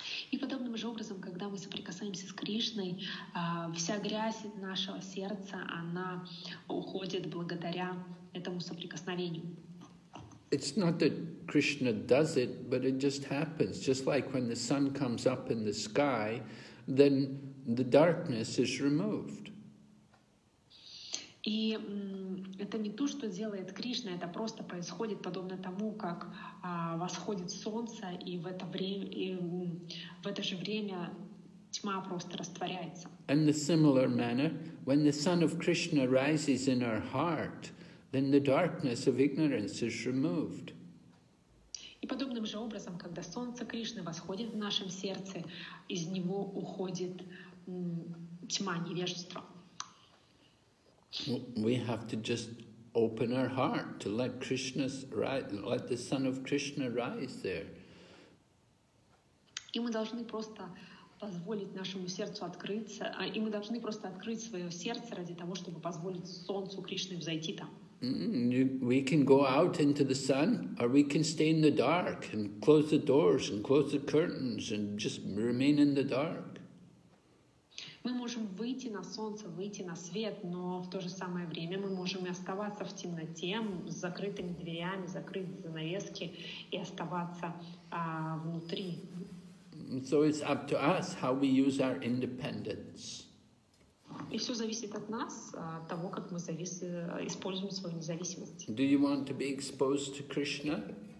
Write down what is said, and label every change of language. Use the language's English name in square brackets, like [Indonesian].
[Russian] И подобным же образом, когда мы соприкасаемся с Кришной, вся грязь нашего сердца, она уходит благодаря этому соприкосновению. [English] It's not that Krishna does it, but it just happens. Just like when the sun comes up in the sky, then the darkness is removed. [Russian] И это не то, что делает Кришна, это просто происходит подобно тому, как восходит солнце, и в это же время тьма просто растворяется. [English] In a similar manner, when the sun of Krishna rises in our heart, then the darkness of ignorance is removed. [Russian] И подобным же образом, когда солнце Кришны восходит в нашем сердце, из него уходит тьма невежества. [English] We have to just open our heart to let Krishna's let the sun of Krishna rise there. [Russian] И мы должны просто позволить нашему сердцу открыться, и мы должны просто открыть свое сердце ради того, чтобы позволить солнцу Кришны взойти там. [English] We can go out into the sun, or we can stay in the dark and close the doors and close the curtains and just remain in the dark. [Russian] Мы можем выйти на солнце, выйти на свет, но в то же самое время мы можем и оставаться в темноте, с закрытыми дверями, закрыть занавески и оставаться внутри. [English] So it's up to us how we use our independence. [Russian] И все зависит от нас, от того, как мы используем свою независимость. [English] Do you want to be exposed to Krishna?